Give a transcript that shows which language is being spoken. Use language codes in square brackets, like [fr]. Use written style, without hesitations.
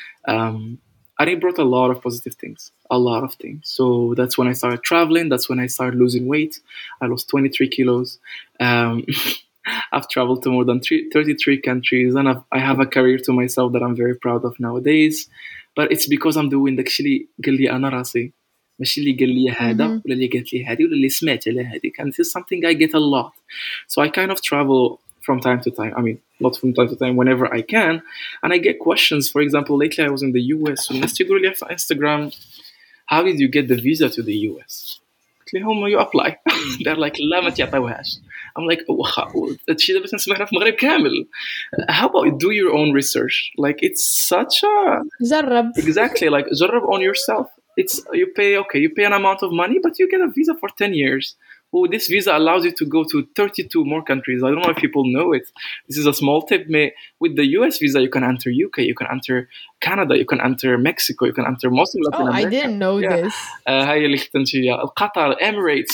[en] And it brought a lot of positive things, a lot of things. So that's when I started traveling. That's when I started losing weight. I lost 23 kilos. I've traveled to more than 33 countries, and I have a career to myself that I'm very proud of nowadays. But it's because I'm doing actually [ar] قلي أنا راسي مش اللي قال لي هذا ولا اللي قالت لي هذه ولا اللي سمعت عليها هذه. [en] And this is something I get a lot. So I kind of travel from time to time. I mean, not from time to time, whenever I can. And I get questions. For example, lately I was in the US. So next year, on Instagram, how did you get the visa to the US? [ar] قلت لهم [en] you apply. They're like, [ar] لا ما تعطيوهاش. [en] I'm like, [ar] واخا. هادشي دابا تنسمعنا في المغرب كامل. [en] How about do your own research? Like, it's such a... [ar] جرب. [en] Exactly. Like, [ar] جرب [en] on yourself. It's you pay an amount of money, but you get a visa for 10 years. Well, this visa allows you to go to 32 more countries. I don't know if people know it. This is a small tip. With the US visa, you can enter UK, you can enter Canada, you can enter Mexico, you can enter most of Latin America. Oh, I didn't know this. هاي لختنشي القطر Emirates.